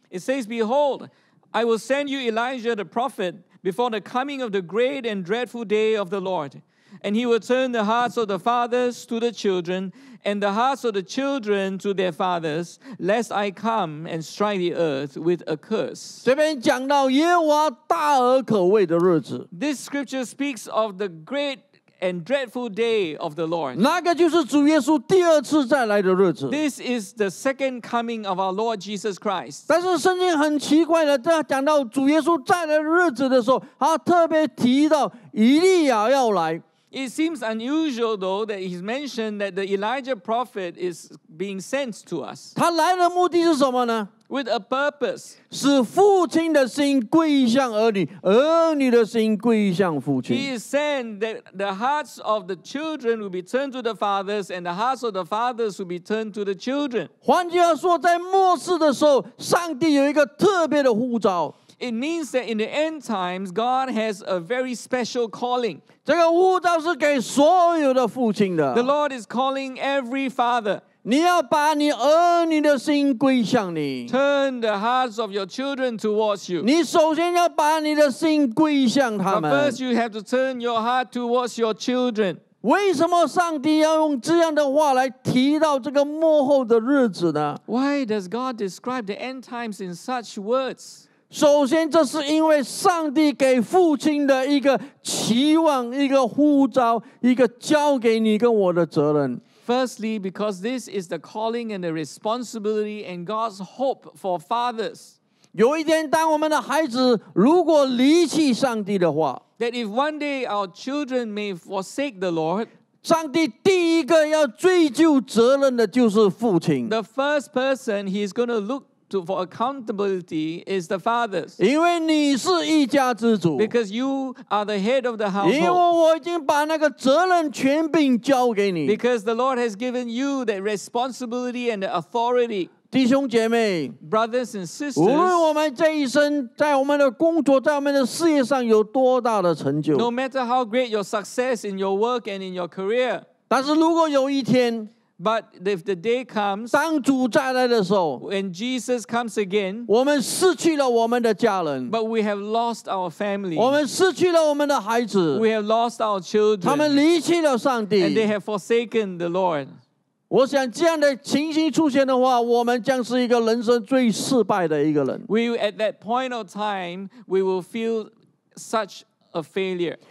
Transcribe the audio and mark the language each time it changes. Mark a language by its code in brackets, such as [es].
[en] It says, Behold, I will send you Elijah the prophet before the coming of the great and dreadful day of the Lord. And he will turn the hearts of the fathers to the children and the hearts of the children to their fathers, lest I come and strike the earth with a curse. [zh] 这边讲到耶和华大而可畏的日子。 [en] This scripture speaks of the great and dreadful day of the Lord. [zh] 那个就是主耶稣第二次再来的日子。 [en] This is the second coming of our Lord Jesus Christ. [zh] 但是圣经很奇怪的，在讲到主耶稣再来的日子的时候，他特别提到以利亚要来。 [en] It seems unusual though that he's mentioned that the Elijah prophet is being sent to us. [zh] 他来的目的是什么呢？ [en] With a purpose. [zh] 使父亲的心归向儿女，儿女的心归向父亲。 [en] He is saying that the hearts of the children will be turned to the fathers and the hearts of the fathers will be turned to the children. [zh] 换句话说，在末世的时候，上帝有一个特别的呼召。 [en] It means that in the end times, God has a very special calling. [zh] 这个呼召是给所有的父亲的。 [en] The Lord is calling every father. [zh] 你要把你儿女的心归向你。 [en] Turn the hearts of your children towards you. [zh] 你首先要把你的心归向他们。 [en] But first, you have to turn your heart towards your children. [zh] 为什么上帝要用这样的话来提到这个末后的日子呢？ [en] Why does God describe the end times in such words? [zh] 首先，这是因为上帝给父亲的一个期望、一个呼召、一个交给你跟我的责任。 [en] Firstly, because this is the calling and the responsibility and God's hope for fathers. [zh] 有一天当我们的孩子如果离弃上帝的话， [en] that if one day our children may forsake the Lord, [zh] 上帝第一个要追究责任的就是父亲。 [en] The first person he is going to look to for accountability is the fathers. [zh] 因为你是一家之主。 [en] Because you are the head of the household. [zh] 因为我已经把那个责任权柄交给你。 [en] Because the Lord has given you the responsibility and the authority. [zh] 弟兄姐妹 [en] Brothers and sisters, [zh] 无论我们这一生在我们的工作在我们的事业上有多大的成就 [en] No matter how great your success in your work and in your career [zh] 但是如果有一天 [en] But if the day comes [zh] 当主再来的时候 [en] When Jesus comes again [zh] 我们失去了我们的家人 [en] But we have lost our family [zh] 我们失去了我们的孩子 [en] We have lost our children [zh] 他们离弃了上帝 [en] And they have forsaken the Lord [zh] 我想这样的情形出现的话，我们将是一个人生最失败的一个人。 [en] We at that point of time, we will feel such a failure.